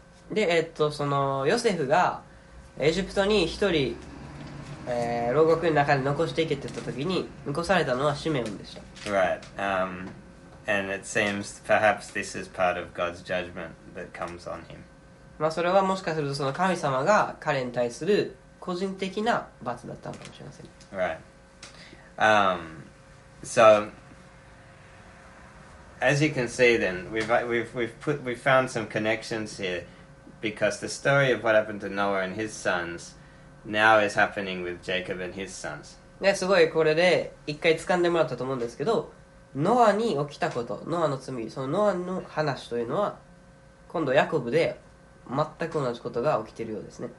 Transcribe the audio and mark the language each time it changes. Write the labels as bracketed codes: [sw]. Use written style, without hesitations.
[ja] で、そのヨセフがエジプトに一人、牢獄の中で残していけって言った時に残されたのはシメオンでした。 [en] Right. And it seems perhaps this is part of God's judgment that comes on him. [ja] まあそれはもしかするとその神様が彼に対する個人的な罰だったのかもしれません。 [en] Right. So as you can see, then we've found some connections here. Because the story of what happened to Noah and his sons now is happening with Jacob and his sons. [ja] Yeah, すごいこれで一回掴んでもらったと思うんですけど、ノアに起きたこと、ノアの罪、そのノアの話というのは、今度ヤコブで全く同じことが起きているようですね。